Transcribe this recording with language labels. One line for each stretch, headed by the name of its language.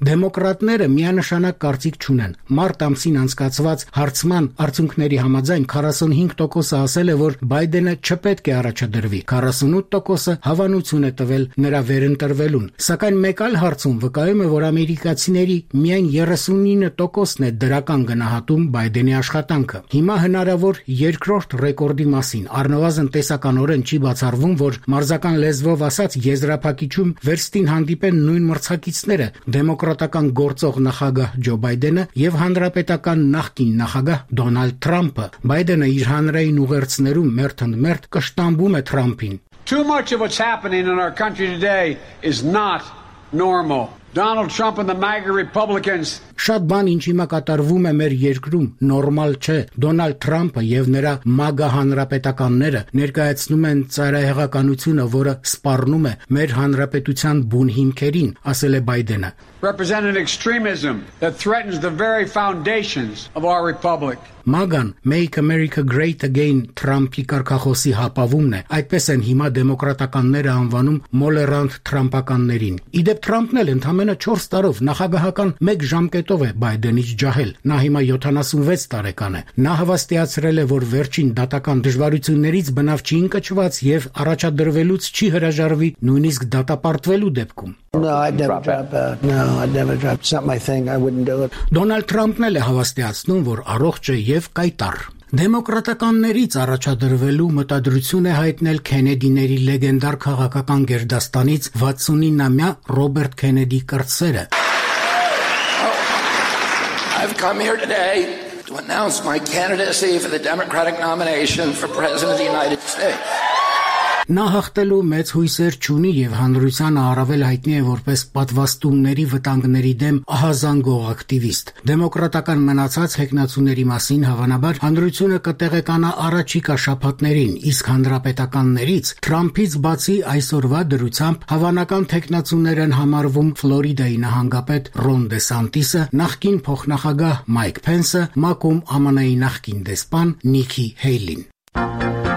Armenian: Դեմոկրատները միանշանակ կարծիք չունեն։ Մարտ ամսին անցկացված հարցման արդյունքների համաձայն 45% ասել է, որ Բայդենը չպետք է առաջադրվի, 48% հավանություն է տվել նրա վերընտրվելուն։ Սակայն մեկ այլ հարցում վկայում է, որ ամերիկացիների միայն 39%-ն է դրական գնահատում Բայդենի աշխատանքը։ Հիմա հնարավոր երկրորդ ռեկորդի մասին առնվազն տեսականորեն չի բացառվում, որ մարզական լեզվով ասած եզրափակիչում վերստին հանդիպեն նույն մրցակիցները՝ դեմոկրատական գործող նախագահ Ջո Բայդենը և հանրապետական նախկին նախագահ Դոնալդ Թրամփը։ Բայդենը իր հանրային ուղերձներում մերթ ընդ մերթ կշտամբում է Թրամփին.
English: Too much of what's happening in our country today is not normal. Donald Trump and the MAGA Republicans.
Armenian: Շատ բան, ինչ հիմա կատարվում է մեր երկրում, նորմալ չէ։ Դոնալդ Թրամփը եւ նրա MAGA հանրապետականները ներկայացնում են ծայրահեղականությունը, որը սպառնում է մեր հանրապետության բուն հիմքերին, ասել է Բայդենը։
English: Represent an extremism that threatens the very foundations of our republic.
Armenian: MAGA-ն Make America Great Again Թրամփի կարկախոսի հապավումն է, այդպես են հիմա դեմոկրատականները անվանում մոլերանտ թրամպականներին։ Իդեպ Թրամփն էլ ընդամենը 4 տարով նախագահական 1 ժամկետով է Բայդենից ջահել։ Նա հիմա 76 տարեկան է։ Նա հավաստիացրել է, որ վերջին դատական դժվարություններից բնավ չի ընկճված եւ առաջադրվելուց չի հրաժարվի նույնիսկ դատապարտվելու դեպքում։
English: No, I don't drop it. No. I'd never drop. It's not my thing. I wouldn't do it.
Armenian: Donald Trump նել է հավաստիացնում, որ առողջը և կայտար։ Դեմոկրատականներից առաջադրվելու մտադրություն է հայտնել Քենեդիների լեգենդար քաղաքական գերդաստանից 69-ամյա Ռոբերտ Քենեդի կրտսերը։
English: I've come here today to announce my candidacy for the Democratic nomination for President of the United States.
Armenian: Նա հաղթելու մեծ հույսեր չունի եւ հանրությանը առավել հայտնի է որպես պատվաստումների վտանգների դեմ ահազանգող ակտիվիստ։ Դեմոկրատական մնացած հեկնացուների մասին հավանաբար հանրությունը կտեղեկանա առաջիկա շաբաթներին, իսկ հանրապետականներից Թրամփից բացի այսօրվա դրությամբ հավանական հեկնացուներ են համարվում Ֆլորիդայի նահանգապետ Ռոն Դեսանտիսը, նախկին փոխնախագահ Մայք Փենսը, մակում ԱՄՆ-ի նախկին դեսպան Նիքի Հեյլին։